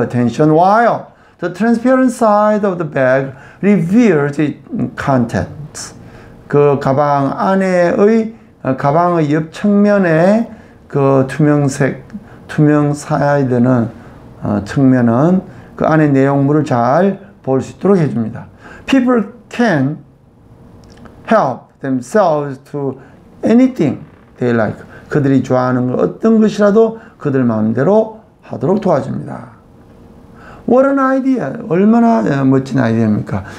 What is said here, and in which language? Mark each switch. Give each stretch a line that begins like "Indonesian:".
English: Attention, while the transparent side of the bag reveals its contents.
Korean: 그 가방 안에의 가방의 옆 측면에 그 투명 사이드는 측면은 그 안에 내용물을 잘 볼 수 있도록 해줍니다.
English: People can help themselves to anything they like.
Korean: 그들이 좋아하는 것 어떤 것이라도 그들 마음대로 하도록 도와줍니다.
English: What an idea!
Korean: 얼마나 멋진 아이디어입니까?